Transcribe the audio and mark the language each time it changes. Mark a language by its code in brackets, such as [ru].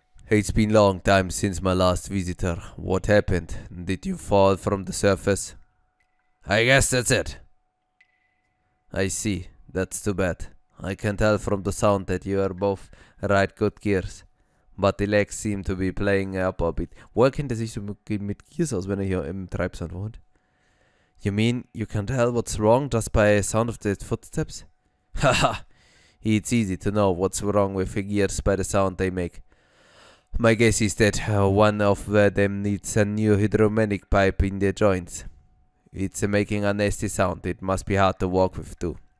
[en] It's been long time since my last visitor. What happened? Did you fall from the surface? I guess that's it. I see. That's too bad. I can tell from the sound that you are both right good gears. But the legs seem to be playing up a bit. [de] Woher kennt er sich so mit Gears aus, wenn er hier im Treibsand wohnt? [en] You mean you can tell what's wrong just by sound of the footsteps? Haha. It's easy to know what's wrong with the gears by the sound they make. My guess is that one of them needs a new hydromanic pipe in their joints. It's making a nasty sound. It must be hard to walk with, too.